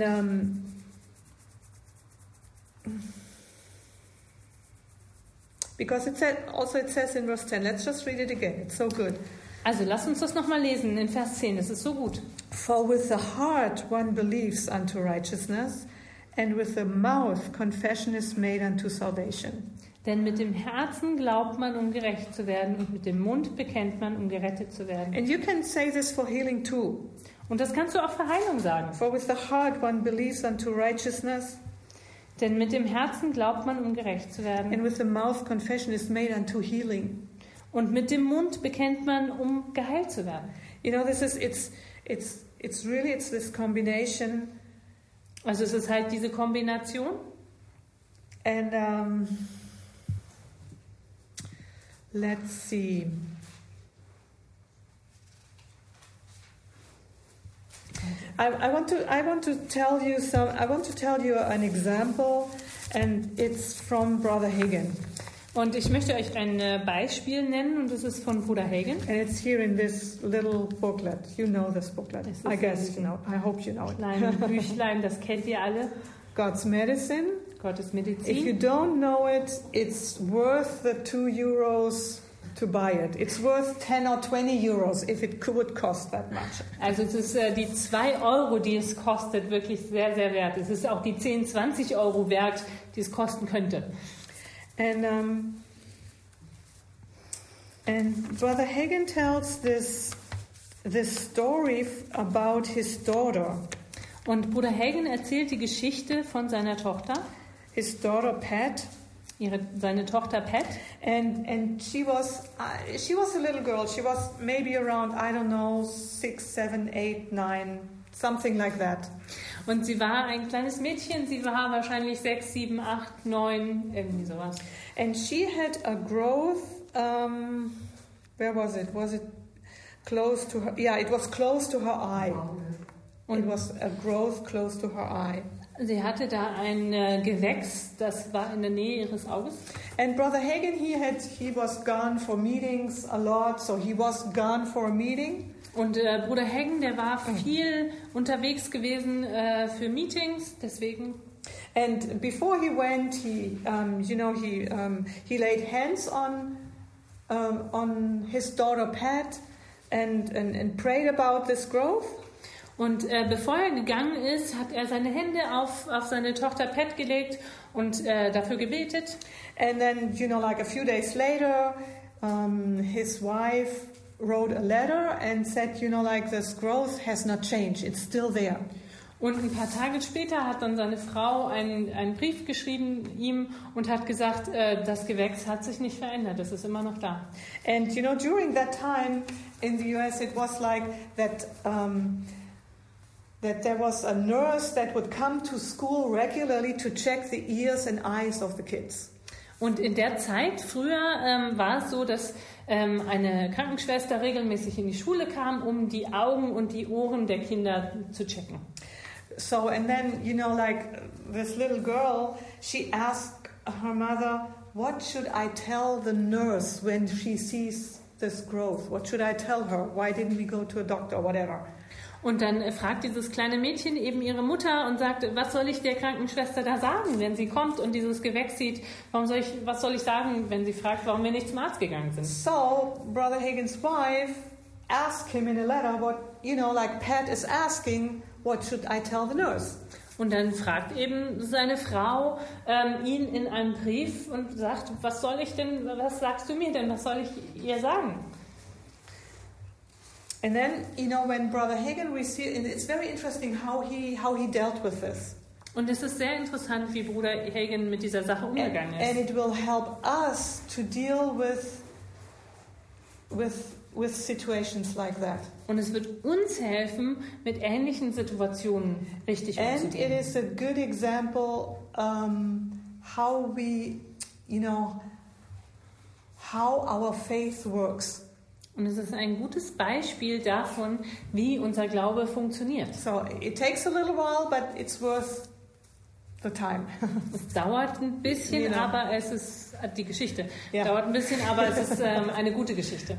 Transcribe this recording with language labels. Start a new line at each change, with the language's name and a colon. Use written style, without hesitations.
English: And, because it said, also it says in verse 10, let's just read it again, it's so good.
German: Also lass uns das nochmal lesen in Vers 10, es ist so gut.
English: For with the heart one believes unto righteousness, and with the mouth confession is made unto salvation.
German: Denn mit dem Herzen glaubt man, um gerecht zu werden, und mit dem Mund bekennt man, um gerettet zu werden.
English: And you can say this for healing too.
German: Und das kannst du auch für Heilung sagen.
English: For with the heart one believes unto righteousness.
German: Denn mit dem Herzen glaubt man, um gerecht zu werden.
English: And with the mouth confession is made unto healing.
German: Und mit dem Mund bekennt man, um geheilt zu werden.
English: You know, this is it's really this combination.
German: Also es ist halt diese Kombination.
English: And let's see. I want to tell you an example, and it's from Brother Hagen.
German: Und ich möchte euch ein Beispiel nennen, und es ist von Bruder Hagen.
English: And it's here in this little booklet. You know this booklet. I guess you know. I hope you know it.
German: Kleine Büchlein, das kennt ihr alle.
English: God's medicine.
German: Gottes Medizin.
English: If you don't know it, it's worth the 2 euros to buy it. It's worth 10 or 20 euros if it would cost that much.
German: Also es ist die 2 Euro, die es kostet, wirklich sehr, sehr wert. Es ist auch die 10, 20 Euro wert, die es kosten könnte.
English: And Brother Hagen tells this story about his daughter.
German: Und Bruder Hagen erzählt die Geschichte von seiner Tochter.
English: His daughter Pat.
German: Seine Tochter Pat.
English: And she was a little girl. She was maybe around, I don't know, 6, 7, 8, 9, something like that.
German: Und sie war ein kleines Mädchen. Sie war wahrscheinlich 6, 7, 8, 9, irgendwie sowas.
English: And she had a growth. Where was it? Was it close to her? Yeah, it was close to her eye. Und it was a growth close to her eye.
German: Sie hatte da ein Gewächs, das war in der Nähe ihres Auges.
English: And Brother Hagen, he was gone for meetings a lot, so he was gone for a meeting.
German: Und Bruder Hagen, der war viel unterwegs gewesen für Meetings, deswegen.
English: And before he went, he laid hands on his daughter Pat and prayed about this growth.
German: Und bevor er gegangen ist, hat er seine Hände auf seine Tochter Pat gelegt und dafür gebetet.
English: And then, you know, like a few days later, his wife wrote a letter and said, you know, like this growth has not changed, it's still there.
German: Und ein paar Tage später hat dann seine Frau einen Brief geschrieben ihm und hat gesagt, das Gewächs hat sich nicht verändert, es ist immer noch da.
English: And you know, during that time in the US, it was like that. That there was a nurse that would come to school regularly to check the ears and eyes of the kids.
German: Und in der Zeit früher war es so, dass eine Krankenschwester regelmäßig in die Schule kam, um die Augen und die Ohren der Kinder zu checken.
English: So and then, you know, like this little girl, she asked her mother, what should I tell the nurse when she sees this growth? What should I tell her? Why didn't we go to a doctor or whatever?
German: Und dann fragt dieses kleine Mädchen eben ihre Mutter und sagt, was soll ich der Krankenschwester da sagen, wenn sie kommt und dieses Gewächs sieht? Was soll ich sagen, wenn sie fragt, warum wir nicht zum Arzt gegangen sind?
English: So, Brother Hagen's wife asked him in a letter, what, you know, like Pat is asking, what should I tell the nurse?
German: Und dann fragt eben seine Frau ihn in einem Brief und sagt, was soll ich denn, was sagst du mir denn, was soll ich ihr sagen?
English: And then, you know, when Brother Hagen received, and it's very interesting how he dealt with this.
German: Und es ist sehr interessant, wie Bruder Hagen mit dieser Sache umgegangen ist.
English: And it will help us to deal with situations like that.
German: Und es wird uns helfen, mit ähnlichen Situationen richtig umzugehen.
English: And it is a good example how we, you know, how our faith works.
German: Und es ist ein gutes Beispiel davon, wie unser Glaube funktioniert.
English: So, it takes a little while, but it's worth the time.
German: Es dauert ein bisschen, you know. Aber es ist die Geschichte. Yeah. Dauert ein bisschen, aber es ist eine gute Geschichte.